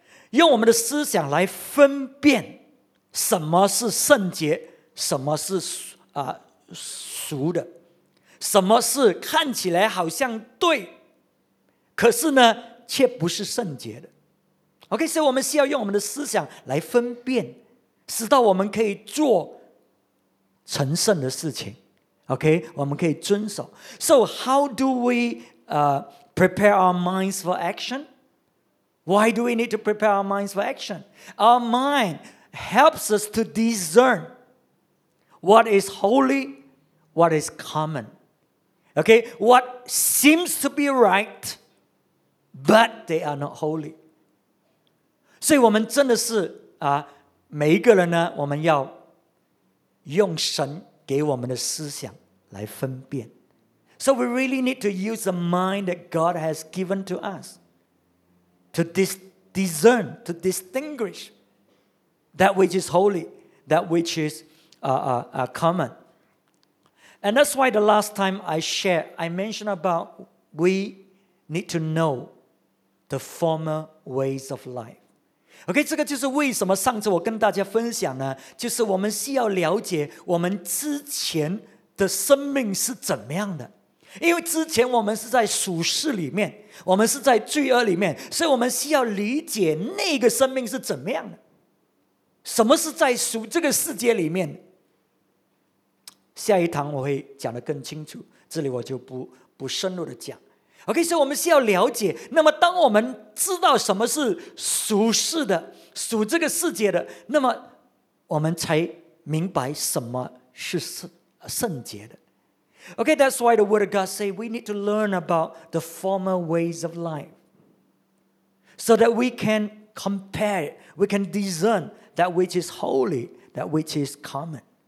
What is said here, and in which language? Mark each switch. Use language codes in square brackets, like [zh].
[zh] 用我们的思想来分辨什么是圣洁，什么是俗的，什么是看起来好像对，可是呢却不是圣洁的。 OK, 所以我们需要用我们的思想来分辨，使到我们可以做成圣的事情。 OK, 我们可以遵守。 [en] So how do we prepare our minds for action? Why do we need to prepare our minds for action? Our mind helps us to discern what is holy, what is common. OK, what seems to be right, but they are not holy. [zh] 所以我们真的是每一个人呢，我们要用神给我们的思想来分辨。 [en] So we really need to use the mind that God has given to us to discern, to distinguish that which is holy, that which is common. And that's why the last time I shared, I mentioned about we need to know the former ways of life. [zh] OK, 这个就是为什么上次我跟大家分享呢，就是我们需要了解我们之前的生命是怎么样的。因为之前我们是在属世里面，我们是在罪恶里面，所以我们需要理解那个生命是怎么样的，什么是在属这个世界里面。下一堂我会讲得更清楚，这里我就不深入的讲。 OK, 所以我们需要了解，那么当我们知道什么是属世的，属这个世界的，那么我们才明白什么是圣洁的。 [en] OK, that's why the word of God says we need to learn about the former ways of life so that we can compare, we can discern that which is holy, that which is common.